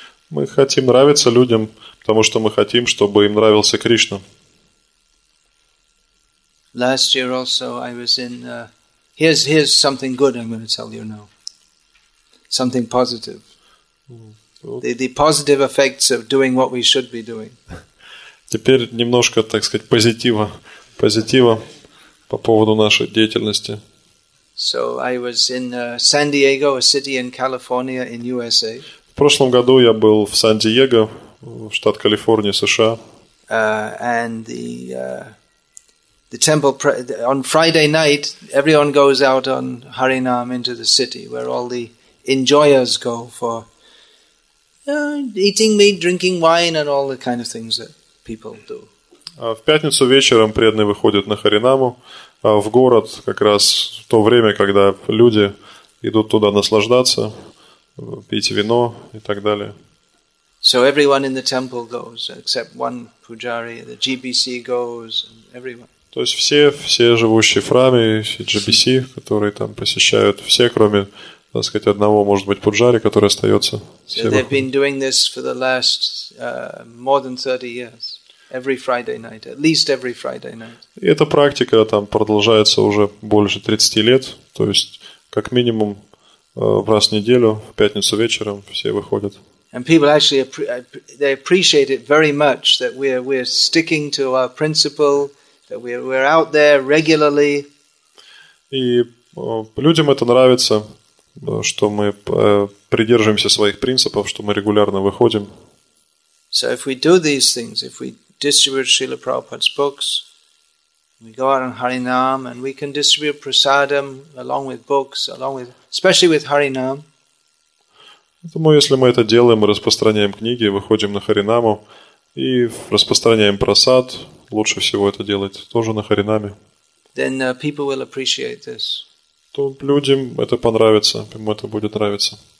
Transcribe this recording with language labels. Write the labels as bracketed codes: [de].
[ru] Мы хотим нравиться людям, потому что мы хотим, чтобы им нравился Кришна. [en] Last year also I was in here's something good I'm going to tell you now. Something positive. The positive effects of doing what we should be doing. [ru] Теперь немножко, так сказать, позитива по поводу нашей деятельности. [en] So I was in San Diego, a city in California in USA. [ru] В прошлом году я был в Сан-Диего, штат Калифорния, США. [en] And the temple on Friday night, everyone goes out on Harinam into the city where all the enjoyers go for eating meat, drinking wine and all the kind of things that people do. [ru] В пятницу вечером преданные выходят на Харинаму, в город, как раз в то время, когда люди идут туда наслаждаться, пить вино и так далее. [en] So everyone in the temple goes, except one pujari, the GBC goes, and everyone. [ru] То есть все живущие в храме, все GBC, которые там посещают, все, кроме, так сказать, одного, может быть, пуджари, который остается. [en] So they've been doing this for the last more than 30 years. Every Friday night, at least every Friday night. [ru] И эта практика там продолжается уже больше 30 лет, то есть как минимум раз в неделю, в пятницу вечером все выходят. [en] And people actually they appreciate it very much that we're sticking to our principle, that we're out there regularly. [ru] И людям это нравится, что мы придерживаемся своих принципов, что мы регулярно выходим. [en] So if we do these things, if we distribute Srila Prabhupada's books, we go out on Harinam, and we can distribute prasadam along with books, along with especially with Harinam. [ru] Поэтому, если мы это делаем, мы распространяем книги, выходим на Харинаму и распространяем просад, лучше всего это делать тоже на Харинаме. [en] Then people will appreciate this. [ru] То людям это понравится, им это будет нравиться.